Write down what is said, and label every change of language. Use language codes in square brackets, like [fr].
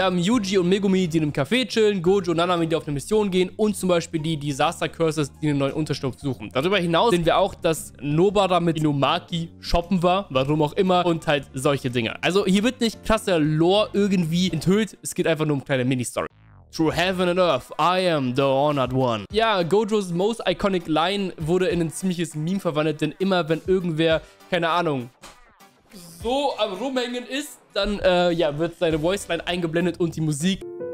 [de] Wir haben Yuji und Megumi, die in einem Café chillen, Gojo und Nanami, die auf eine Mission gehen und zum Beispiel die Disaster Curses, die einen neuen Unterschlupf suchen. Darüber hinaus sehen wir auch, dass Nobara mit Inumaki shoppen war, warum auch immer, und halt solche Dinge. Also hier wird nicht krasser Lore irgendwie enthüllt, es geht einfach nur um kleine Mini-Story. [en] Through heaven and earth, I am the honored one. [de] Ja, Gojos most iconic line wurde in ein ziemliches Meme verwandelt, denn immer wenn irgendwer, keine Ahnung, so am Rumhängen ist, dann wird seine Voiceline eingeblendet und die Musik.